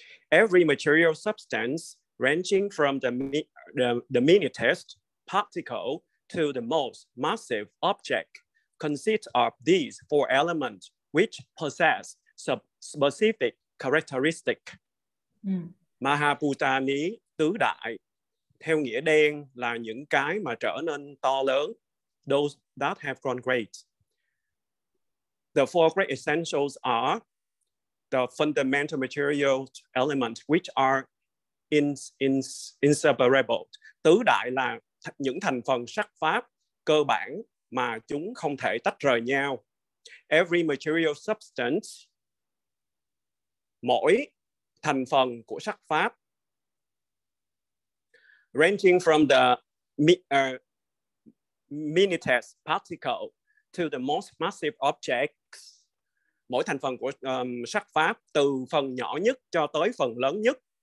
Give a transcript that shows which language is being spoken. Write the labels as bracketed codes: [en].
[en] Every material substance ranging from the minutest particle to the most massive object consists of these four elements which possess specific characteristic. [vi] Mahabhutani, tứ đại, theo nghĩa đen là những cái mà trở nên to lớn, [en] those that have grown great. The four great essentials are the fundamental material elements which are inseparable. [vi] Tứ đại là những thành phần sắc pháp cơ bản mà chúng không thể tách rời nhau. [en] Every material substance, [vi] mỗi thành phần của sắc pháp, [en] ranging from the minutest particle to the most massive objects, [vi] mỗi thành phần của sắc pháp từ phần nhỏ nhất cho tới phần lớn nhất,